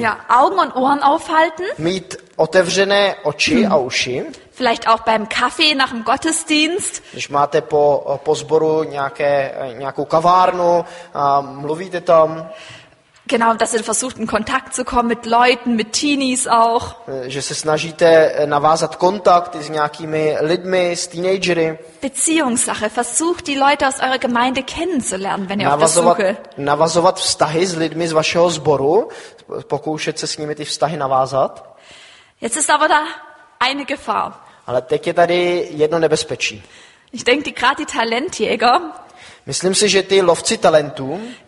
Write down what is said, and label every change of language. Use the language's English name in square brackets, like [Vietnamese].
[German] Ja, Augen und Ohren aufhalten. [Czech] Mít otevřené oči a uši. [German] Vielleicht auch beim Kaffee nach dem Gottesdienst. [Czech] Když máte po sboru nějakou kavárnu a mluvíte tam. [German] Genau, dass ihr versucht in Kontakt zu kommen mit Leuten, mit Teenies auch. [Czech] Že se snažíte navázat kontakt s nějakými lidmi, s teenagery. [German] Beziehungssache, versucht die Leute aus eurer Gemeinde kennenzulernen, wenn ihr auf der Suche. [Czech] Navazovat vztahy s lidmi z vašeho sboru, pokoušet se s nimi ty vztahy navázat. [German] Jetzt ist aber da eine Gefahr. [Czech] Ale teď je tady jedno nebezpečí. [German] Ich denke, gerade die Talentjäger. [Czech] Myslím si, že ty lovci talentů,